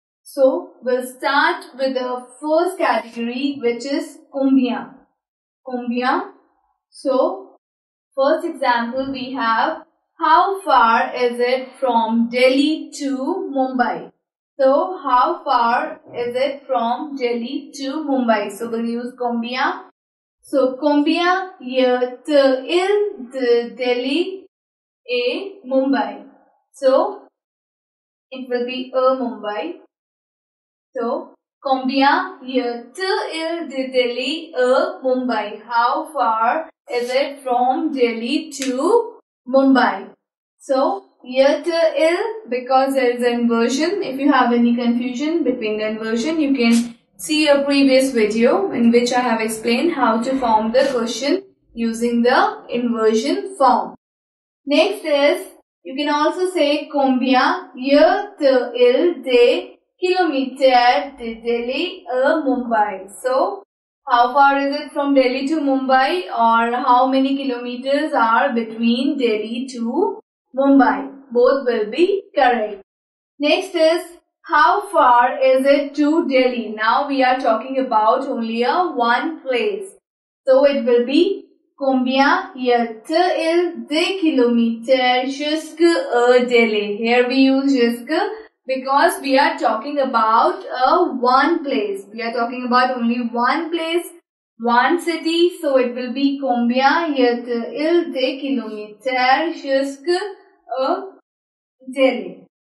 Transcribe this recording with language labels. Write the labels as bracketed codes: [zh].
[en] So, we'll start with the first category, which is combien. Combien. So, first example we have, how far is it from Delhi to Mumbai? So, how far is it from Delhi to Mumbai? So, we'll use combien. [fr] So, combien y a-t-il de Delhi et Mumbai? [en] So, it will be a Mumbai. [fr] So, combien y a-t-il de Delhi à Mumbai? [en] How far is it from Delhi to Mumbai? So, [fr] y a-t-il, [en] because there is inversion. If you have any confusion between the inversion, you can see a previous video in which I have explained how to form the question using the inversion form. Next is, you can also say [fr] combien y a-t-il de kilometer de Delhi a Mumbai. [en] So, how far is it from Delhi to Mumbai, or how many kilometers are between Delhi to Mumbai? Both will be correct. Next is, how far is it to Delhi? Now we are talking about only a one place. So it will be, [fr] combien y a-t-il de kilometer jusque à Delhi? [en] Here we use jusque, because we are talking about a one place. We are talking about only one place, one city. So it will be [fr] combien y a-t-il de kilomètres jusqu'à Delhi.